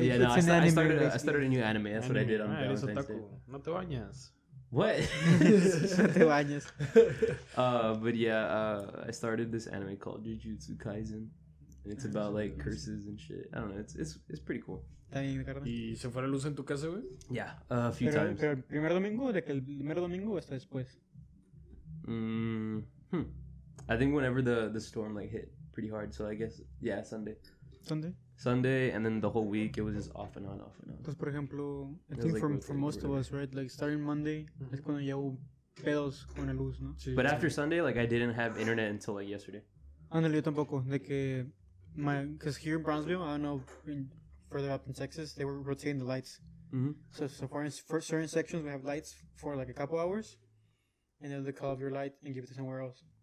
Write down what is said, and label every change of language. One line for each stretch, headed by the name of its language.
English: I started a new anime. That's anime. What I did on Valentine's Day.
Spanish: No te bañas.
English: What?
Spanish: No te bañas.
English: But yeah, I started this anime called Jujutsu Kaisen. And it's about like curses and shit. I don't know. It's pretty cool.
Spanish: ¿Está bien, y se fue la luz en tu casa, güey?
English: Yeah, a few
Spanish: pero,
English: times.
Spanish: ¿Pero el primer domingo? ¿De que el primer domingo o hasta después?
English: I think whenever the storm like hit pretty hard. So I guess, yeah, Sunday. ¿Sunday? Sunday, and then the whole week, it was just off and on, off and on.
Spanish: Entonces, por ejemplo,
English: I think like for most of us, right? Like, starting Monday, mm-hmm.
Spanish: es cuando ya hubo pedos con la luz, ¿no? Sí,
English: but sí. After Sunday, like, I didn't have internet until, like, yesterday.
Spanish: Ándale, yo tampoco. De que,
English: because here in Brownsville, I don't know, further up in Texas, they were rotating the lights. Mm-hmm. So for certain sections, we have lights for, like, a couple hours. and then they cut off your light and give it to somewhere else.